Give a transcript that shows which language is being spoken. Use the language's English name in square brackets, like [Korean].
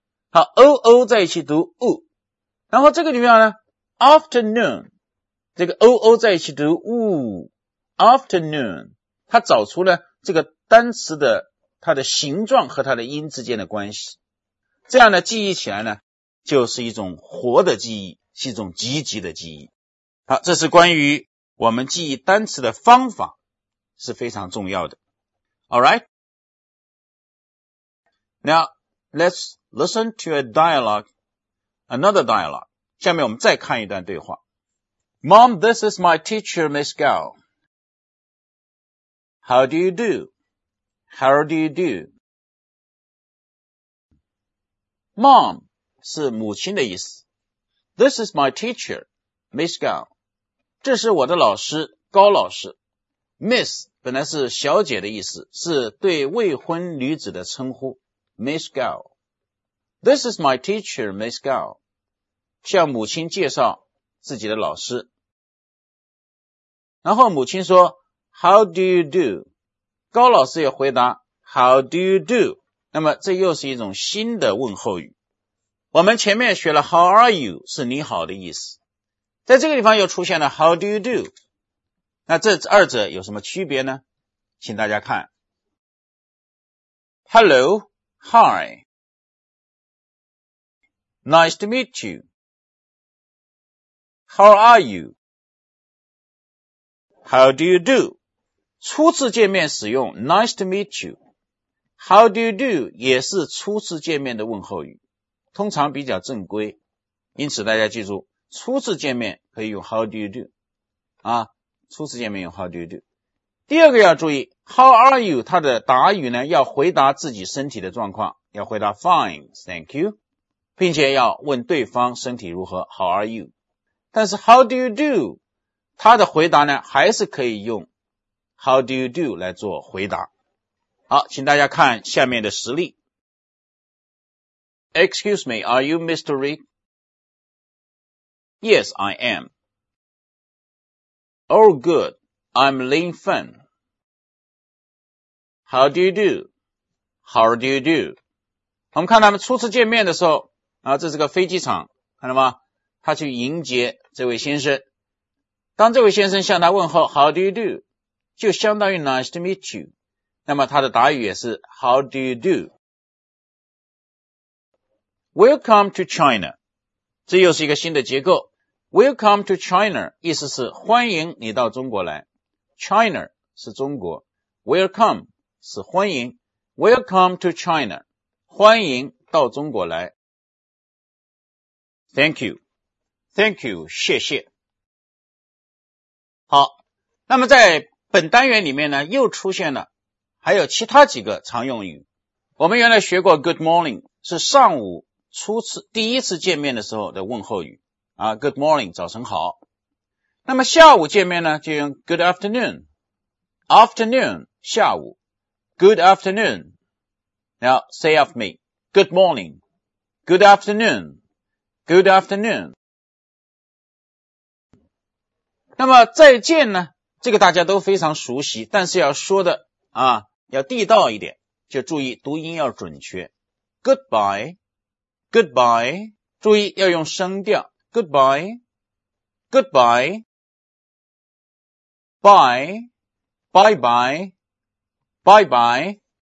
[Chinese] 好， OO 在一起读 U， 然后这个里面呢 Afternoon， 这个 OO 在一起读 U Afternoon， 他找出了这个单词的它的形状和它的音之间的关系。这样呢记忆起来呢就是一种活的记忆，是一种积极的记忆。好，这是关于我们记忆单词的方法是非常重要的。 [English] Alright? Now, let's listen to a dialogue, another dialogue. [Chinese] 下面我们再看一段对话。 [English] Mom, this is my teacher, Miss Gao. How do you do? How do you do? [Chinese] Mom 是母亲的意思。 [English] This is my teacher, Miss Gao. [Chinese] 这是我的老师高老师。 Miss 本来是小姐的意思，是对未婚女子的称呼， Miss Gao。 [English] This is my teacher, Miss Gao， [Chinese] 向母亲介绍自己的老师。然后母亲说 [English] How do you do， [Chinese] 高老师也回答 How do you do， 那么这又是一种新的问候语。我们前面学了 [English] How are you [Chinese] 是你好的意思，在这个地方又出现了 [English] How do you do？ [Chinese] 那这二者有什么区别呢？请大家看 [English] ，Hello, Hi, Nice to meet you, How are you, How do you do？ [Chinese] 初次见面使用 [English] Nice to meet you, How do you do [Chinese] 也是初次见面的问候语，通常比较正规，因此大家记住。初次见面可以用 [English] How do you do [Chinese] 啊，初次见面用 How do you do。第二个要注意 [English] How are you， [Chinese] 它的答语呢要回答自己身体的状况，要回答 [English] Fine, thank you， [Chinese] 并且要问对方身体如何 How are you。但是 [English] How do you do [Chinese] 它的回答呢还是可以用 How do you do 来做回答。好，请大家看下面的实例。 [English] Excuse me, are you Mr. Rick? Yes, I am. Oh, good. I'm Lin Fen. How do you do? How do you do? [Chinese] 我们看他们初次见面的时候啊，这是个飞机场，看到吗？他去迎接这位先生。当这位先生向他问候 [English] How do you do? [Chinese] 就相当于 [English] Nice to meet you. [Chinese] 那么他的答语也是 [English] How do you do? Welcome to China. [Chinese] 这又是一个新的结构。 [English] Welcome to China [Chinese] 意思是欢迎你到中国来， China 是中国， Welcome 是欢迎， [English] Welcome to China. [Chinese] 欢迎到中国来。 [English] Thank you. Thank you. [Chinese] 谢谢。好，那么在本单元里面呢，又出现了还有其他几个常用语。我们原来学过 [English] good morning, [Chinese] 是上午初次第一次见面的时候的问候语。啊 , [English] good morning, [Chinese] 早晨好。那么下午见面呢就用 [English] good afternoon。 [Chinese] afternoon, 下午。 [English] good afternoon, now say of me, good morning, good afternoon, good afternoon. [Chinese] 那么再见呢这个大家都非常熟悉，但是要说的啊要地道一点，就注意读音要准确。 [English] goodbye, goodbye, [Chinese] 注意要用声调。 [English] goodbye, goodbye, bye, bye bye, bye bye.